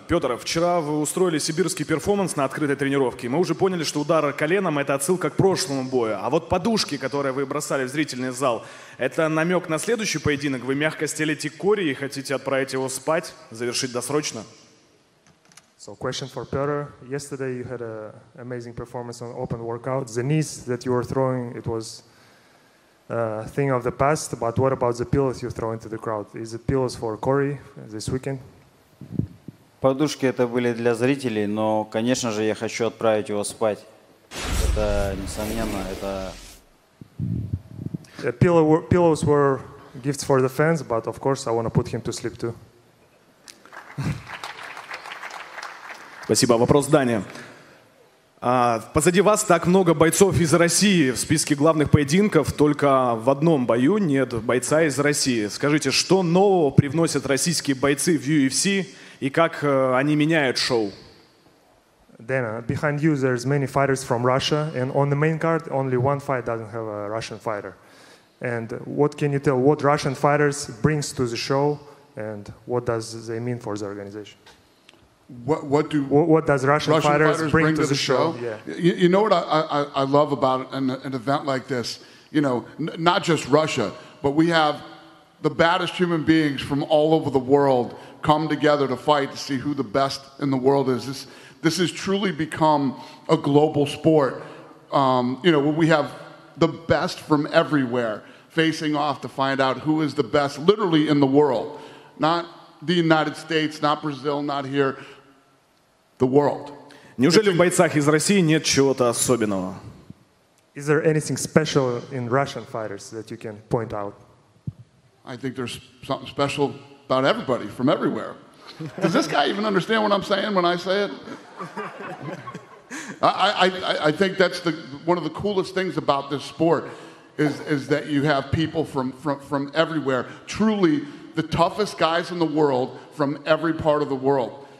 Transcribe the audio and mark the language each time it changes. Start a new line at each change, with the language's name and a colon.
Russian: Петр, вчера вы устроили сибирский перформанс на открытой тренировке. Мы уже поняли, что удар коленом – это отсылка к прошлому бою. А вот подушки, которые вы бросали в зрительный зал, это намек на следующий поединок? Вы мягко стелите Кори и хотите отправить его спать, завершить досрочно?
English: So, question for Peter. Yesterday you had an amazing performance on open workout. The knees that you were throwing, it was thing of the past, but what about the pillows you throw into the crowd? Is it pillows for Corey this weekend?
Russian: Подушки это были для зрителей, но, конечно же, я хочу отправить его спать. Это несомненно, это
English: pillows were gifts for the fans, but of course, I want to put him to sleep too.
Russian: Спасибо. Вопрос Дания. Позади вас так много бойцов из России в списке главных поединков, только в одном бою нет бойца из России. Скажите, что нового привносят российские бойцы в UFC и как они меняют шоу?
English: Dana, behind you there's many fighters from Russia, and on the main card only one fight doesn't have a Russian fighter. And what can you tell, what Russian fighters brings to the show, and what does they mean for the organization? What does Russian fighters bring to the show? Yeah. You know what I love about an event like this? You know, not just Russia, but we have the baddest human beings from all over the world come together to fight to see who the best in the world is. This has truly become a global sport. You know, we have the best from everywhere facing off to find out who is the best, literally in the world, not the United States, not Brazil, not here, the world.
Russian: Неужели в бойцах из России нет чего-то особенного?
English: Is there anything special in Russian fighters that you can point out? I think there's something special about everybody from everywhere. Does this guy even understand what I'm saying when I say it? I think that's one of the coolest things about this sport is that you have people from everywhere, truly the toughest guys in the world from every part of the world.